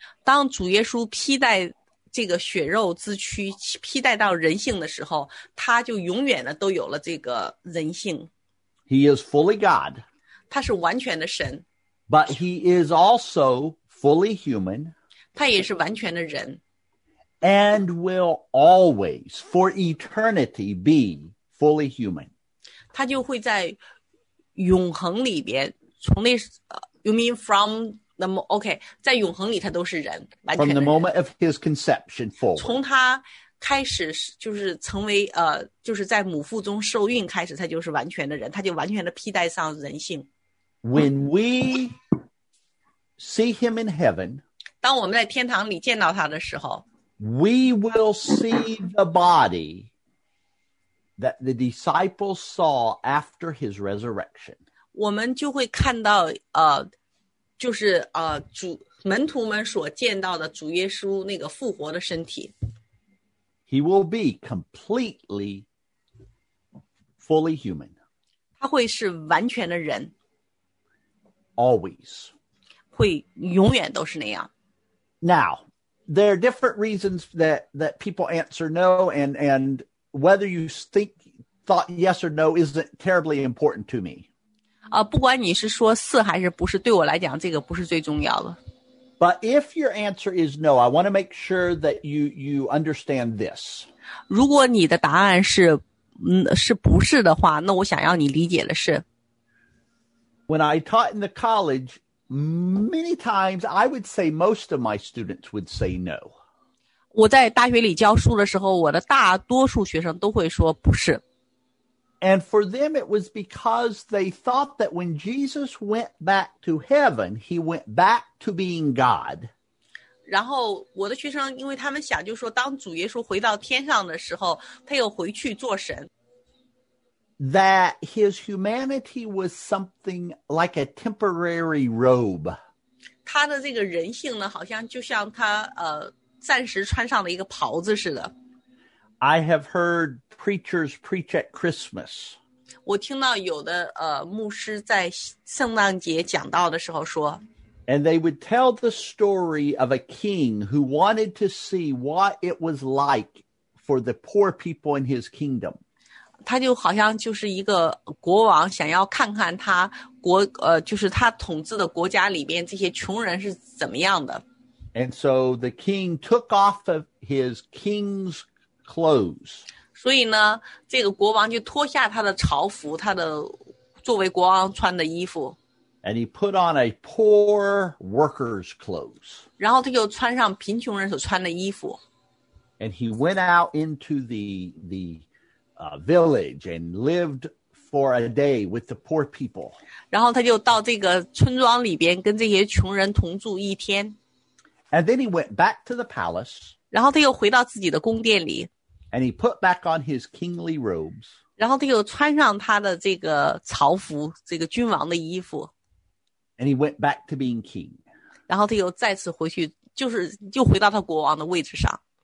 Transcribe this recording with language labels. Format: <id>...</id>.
<zh>当主耶稣披戴这个血肉之躯，披戴到人性的时候，他就永远的都有了这个人性。</zh> <en>He is fully God.</en> <zh>他是完全的神。</zh> <en>But he is also fully human.</en> <zh>他也是完全的人。</zh> <en>And will always, for eternity, be fully human.</en> <zh>他就会在永恒里边，从那，</zh> <en>you mean from the okay,</en> <zh>在永恒里他都是人，完全的。</zh> <en>From the moment of his conception forward.</en> <zh>从他开始就是成为就是在母腹中受孕开始，他就是完全的人，他就完全的披戴上人性。</zh> <en>When we see him in heaven,</en> <zh>当我们在天堂里见到他的时候，</zh> <en>we will see the body that the disciples saw after his resurrection.</en> <zh>我们就会看到就是主门徒们所见到的主耶稣那个复活的身体。</zh> <en>He will be completely fully human.</en> <zh>他会是完全的人。</zh> <en>Always.</en> <zh>会永远都是那样。</zh> <en>Now, there are different reasons that people answer no, and whether you thought yes or no isn't terribly important to me.</en> <zh>不管你是说是还是不是，对我来讲这个不是最重要的。</zh> <en>But if your answer is no, I want to make sure that you understand this.</en> <zh>如果你的答案是不是的话，那我想要你理解的是。</zh> <en>When I taught in the college, many times I would say most of my students would say no.</en> <zh>我在大学里教书的时候，我的大多数学生都会说不是。</zh> <en>And for them, it was because they thought that when Jesus went back to heaven, he went back to being God.</en> <zh>然后我的学生因为他们想就说当主耶稣回到天上的时候他又回去做神。</zh> <en>That his humanity was something like a temporary robe.</en> <zh>他的这个人性呢好像就像他暂时穿上了一个袍子似的。</zh> <en>I have heard preachers preach at Christmas.</en> <zh>我听到有的牧师在圣诞节讲道的时候说。</zh> <en>And they would tell the story of a king who wanted to see what it was like for the poor people in his kingdom.</en> <zh>他就好像就是一个国王想要看看他国就是他统治的国家里边这些穷人是怎么样的。</zh> <en>And so the king took off of his king's clothes.</en> <zh>所以呢这个国王就脱下他的朝服他的作为国王穿的衣服。</zh> <en>And he put on a poor worker's clothes.</en> <zh>然后他就穿上贫穷人所穿的衣服。</zh> <en>And he went out into the village and lived for a day with the poor people.</en> <zh>然后他就到这个村庄里边跟这些穷人同住一天。</zh> <en>And then he went back to the palace.</en> <zh>然后他又回到自己的宫殿里。</zh> <en>And he put back on his kingly robes.</en> <zh>然后他又穿上他的这个朝服，这个君王的衣服。</zh> <en>And he went back to being king.</en> <zh>然后他又再次回去，就是又回到他国王的位置上。</zh>